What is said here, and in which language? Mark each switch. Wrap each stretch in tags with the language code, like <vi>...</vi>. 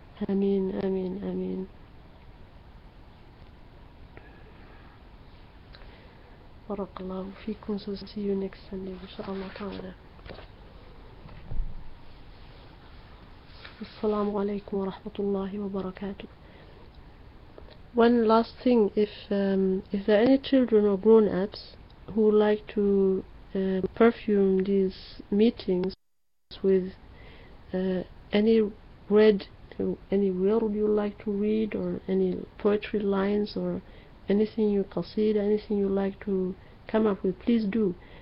<ar>آمين آمين آمين. بارك الله فيكم.</ar> <en>So see you next Sunday</en> <ar>إن شاء الله تعالى. السلام عليكم ورحمة الله وبركاته.</ar> <en>One last thing, if there are any children or grown-ups who like to perfume these meetings with any read, any word you like to read, or any poetry lines, or anything you qasid, anything you like to come up with, please do.</en>